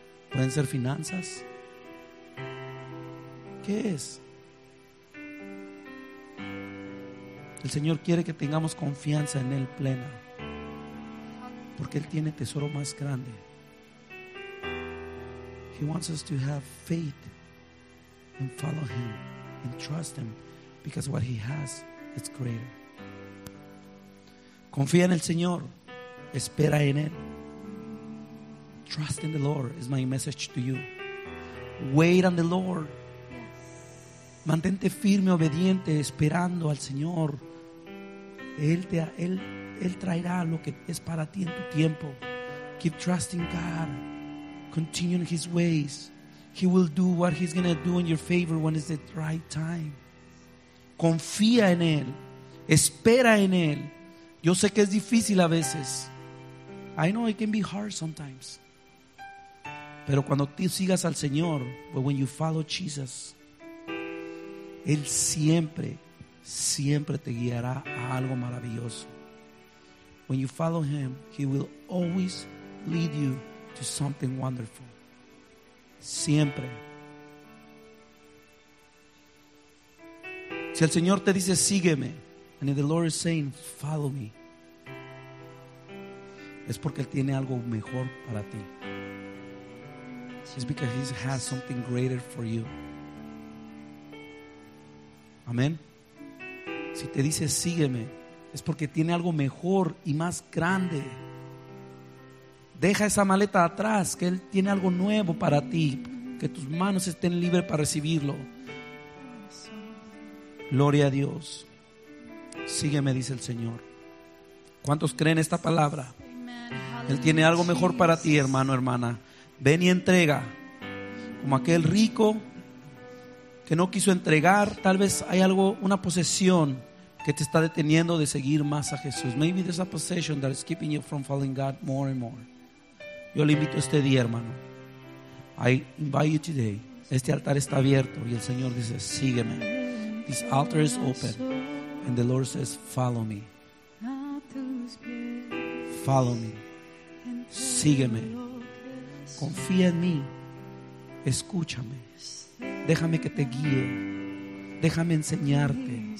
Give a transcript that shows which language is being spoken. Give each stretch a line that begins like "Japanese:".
Spanish: Pueden ser finanzas. ¿Qué es? El Señor quiere que tengamos confianza en Él plena, porque Él tiene tesoro más grande.
English: He wants us to have faith and follow Him and trust Him, because what He has is greater.
Spanish: Confía en el Señor, espera en Él.
English: Trust in the Lord is my message to you. Wait on the Lord.
Spanish: Mantente firme, obediente, esperando al Señor. Él traerá lo que es para ti en tu tiempo.
English: Keep trusting God. Continue in His ways. He will do what He's going to do in your favor when it's the right time.
Spanish: Confía en Él. Espera en Él. Yo sé que es difícil a veces.
English: I know it can be hard sometimes.
Spanish: Pero cuando tú sigas al Señor,
English: but when you follow Jesus,
Spanish: Él siempre, siempre te guiará a algo maravilloso.
English: When you follow Him, He will always lead you to something wonderful.
Spanish: Siempre. Si el Señor te dice, sígueme,
English: and if the Lord is saying, follow me,
Spanish: es porque Él tiene algo mejor para ti.
English: It's because He has something greater for you.
Spanish: Amén. Si te dice sígueme, es porque tiene algo mejor y más grande. Deja esa maleta atrás, que Él tiene algo nuevo para ti, que tus manos estén libres para recibirlo. Gloria a Dios. Sígueme, dice el Señor. ¿Cuántos creen esta palabra? Él tiene algo mejor para ti, hermano, hermana. Ven y entrega, como aquel rico que no quiso entregar. Tal vez hay algo, una posesión que te está deteniendo de seguir más a Jesús.
English: Maybe there's a possession that is keeping you from following God more and more.
Spanish: Yo le invito este día, hermano.
English: I invite you today.
Spanish: Este altar está abierto y el Señor dice, sígueme.
English: This altar is open and the Lord says, follow me. Follow me.
Spanish: Sígueme. Confía en mí. Escúchame. Déjame que te guíe. Déjame enseñarte.